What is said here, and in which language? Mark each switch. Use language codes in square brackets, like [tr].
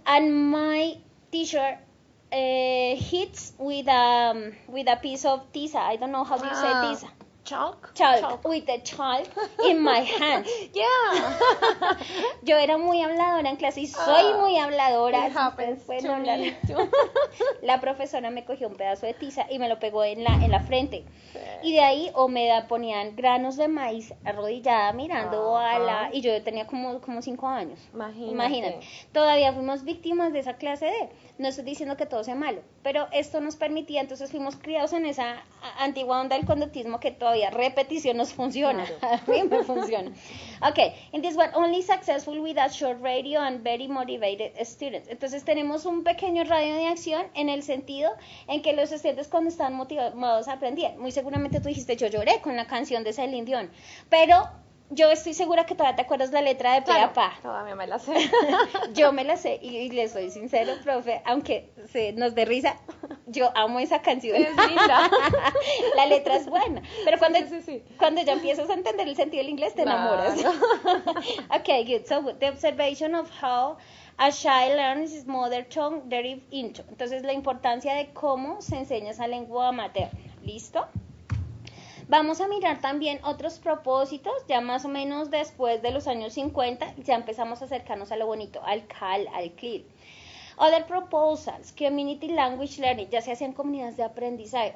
[en] And my teacher hits with a piece of tiza. I don't know how you say tiza. Chalk. With the chalk in my hand. Yeah. [es] Yo era muy habladora en clase y soy muy habladora. [en] It happens to me too. [es] La profesora me cogió un pedazo de tiza y me lo pegó en la frente. Y de ahí ponían granos de maíz arrodillada mirando a la... Y yo tenía como 5 años. Imagínate. Todavía fuimos víctimas de esa clase de... No estoy diciendo que todo sea malo, pero esto nos permitía, entonces fuimos criados en esa antigua onda del conductismo que todavía repetición nos funciona. Claro. A mí me funciona. [en] Okay, in this one, only successful with a short radio and very motivated students. [es] Entonces tenemos un pequeño radio de acción en el sentido en que los estudiantes cuando estaban motivados aprendían. Muy seguramente tú dijiste, yo lloré con la canción de Celine Dion, pero... Yo estoy segura que todavía te acuerdas la letra de pe a pa. Todavía me la sé. Yo me la sé y le soy sincero, profe, aunque se nos dé risa, yo amo esa canción. Es linda. La letra es buena. Pero cuando ya empiezas a entender el sentido del inglés, te enamoras. [en] Okay, good. So, the observation of how a child learns his mother tongue derived into. [es] Entonces, la importancia de cómo se enseña esa lengua materna. ¿Listo? Vamos a mirar también otros propósitos, ya más o menos después de los años 50, ya empezamos a acercarnos a lo bonito, al CAL, al CLIL. [en] Other proposals, community language learning, [es] ya se hacían comunidades de aprendizaje.